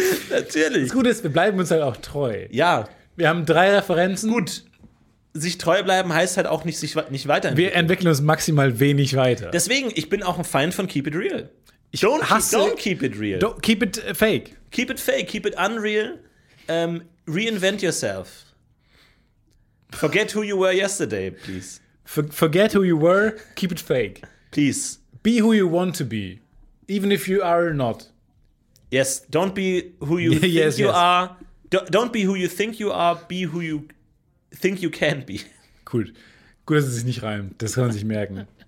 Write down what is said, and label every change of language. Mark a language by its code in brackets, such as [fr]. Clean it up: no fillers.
[de] Natürlich. Das Gute ist, wir bleiben uns halt auch treu. Ja. Wir haben drei Referenzen. Gut. Sich treu bleiben heißt halt auch nicht, sich nicht weiterentwickeln. Wir entwickeln uns maximal wenig weiter. Deswegen, ich bin auch ein Feind von Keep It Real. [en] Don't keep it real. Keep it fake. Keep it fake, keep it unreal. Reinvent yourself. Forget who you were yesterday, please. Forget who you were, keep it fake. Please. Be who you want to be, even if you are not. Yes, don't be who you think yes, you yes. are. Don't be who you think you are, be who you think you can be. Cool. [de] Gut, dass es sich nicht reimt. Das kann man sich merken.